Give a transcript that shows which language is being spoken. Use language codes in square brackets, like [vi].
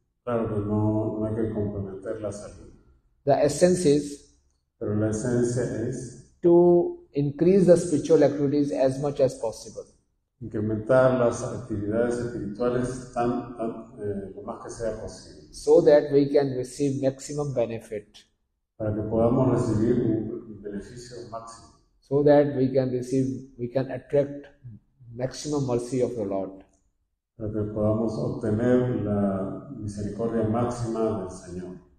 [es] Claro, pero no hay que comprometer la salud. [en] The essence is. [es] Pero la esencia es. [en] To increase the spiritual activities as much as possible. [es] Incrementar las actividades espirituales lo más que sea posible. [en] So that we can receive maximum benefit. [es] Para que podamos recibir un beneficio máximo. [en] So that we can attract maximum mercy of the Lord. [es] Para que podamos obtener la misericordia máxima del Señor.